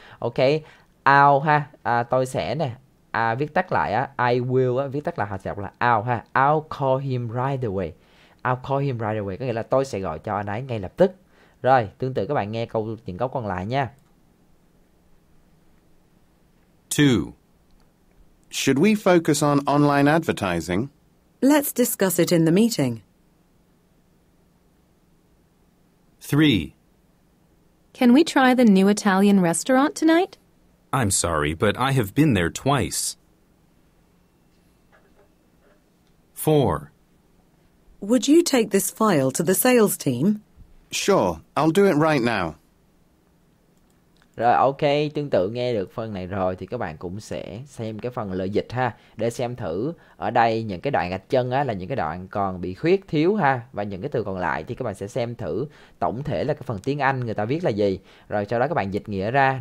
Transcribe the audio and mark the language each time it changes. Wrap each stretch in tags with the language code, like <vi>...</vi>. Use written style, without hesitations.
<vi>Ok. I'll ha. À, tôi sẽ nè. À, viết tắt lại á. I will á. Viết tắt lại họ sẽ đọc là I'll ha.</vi> <en>I'll call him right away.</en> <vi>I'll call him right away. Có nghĩa là tôi sẽ gọi cho anh ấy ngay lập tức. Rồi, tương tự các bạn nghe câu những câu còn lại nha.</vi> <en>Two. Should we focus on online advertising? Let's discuss it in the meeting. Three. Can we try the new Italian restaurant tonight? I'm sorry, but I have been there twice. Four. Would you take this file to the sales team? Sure, I'll do it right now.</en> <vi>Rồi, ok, tương tự nghe được phần này rồi thì các bạn cũng sẽ xem cái phần lời dịch ha, để xem thử ở đây những cái đoạn gạch chân á là những cái đoạn còn bị khuyết thiếu ha, và những cái từ còn lại thì các bạn sẽ xem thử tổng thể là cái phần tiếng Anh người ta viết là gì, rồi sau đó các bạn dịch nghĩa ra.</vi>